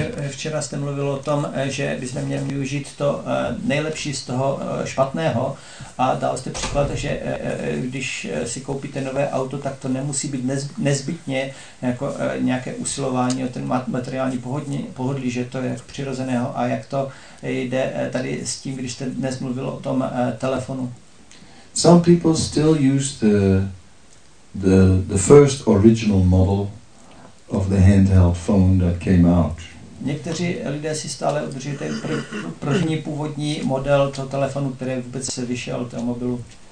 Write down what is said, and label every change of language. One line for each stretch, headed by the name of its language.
Czech: Včera jste mluvil o tom, že bychom měli využít to nejlepší z toho špatného a dal jste příklad, že když si koupíte nové auto, tak to nemusí být nezbytně jako nějaké usilování o ten materiální pohodlí, že to je přirozeného a jak to jde tady s tím, když jste dnes mluvil o tom telefonu.
English: Some people still use the first original model of the handheld phone that came out.
Czech: Někteří lidé si stále udrží ten první původní model toho telefonu, který vůbec se vyšel, toho mobilu.